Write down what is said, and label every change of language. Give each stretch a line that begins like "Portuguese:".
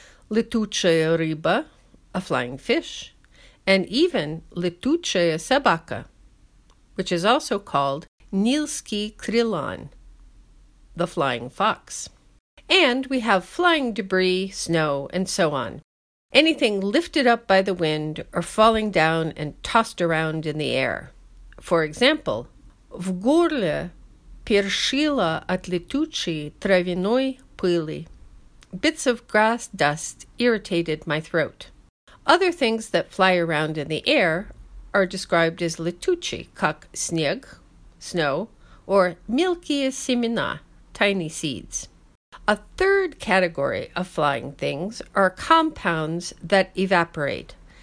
Russian: Летучая рыба,
English: a flying fish, and even
Russian: летучая собака,
English: which is also called
Russian: Нильский крылан,
English: the flying fox. And we have flying debris, snow, and so on. Anything lifted up by the wind or falling down and tossed around in the air. For example,
Russian: в горле першило от летучей травяной пыли.
English: Bits of grass dust irritated my throat. Other things that fly around in the air are described as
Russian: летучие, как снег,
English: snow, or
Russian: мелкие семена,
English: tiny seeds. A third category of flying things are compounds that evaporate.